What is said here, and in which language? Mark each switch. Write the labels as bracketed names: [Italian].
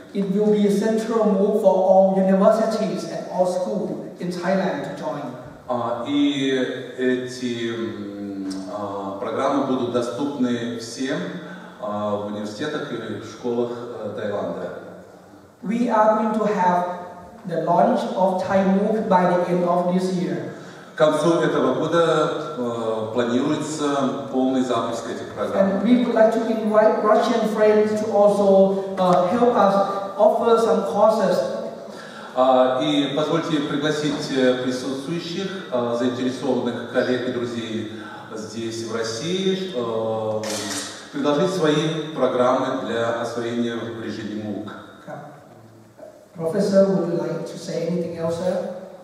[English] It will be a central MOOC for all universities and all schools in Thailand to join. [Russian] И эти программы будут доступны всем в университетах и в школах Таиланда. [English] We are going to have the launch of Thai MOOC by the end of this year. [Russian] К концу этого года планируется полный запуск этих программ. [English] And we would like to invite Russian friends to also help us offer some courses. [Russian] И позвольте пригласить присутствующих заинтересованных коллег и друзей здесь, в России, предложить свои программы для освоения в режиме MOOC. [English] Professor, would you like to say anything else, sir?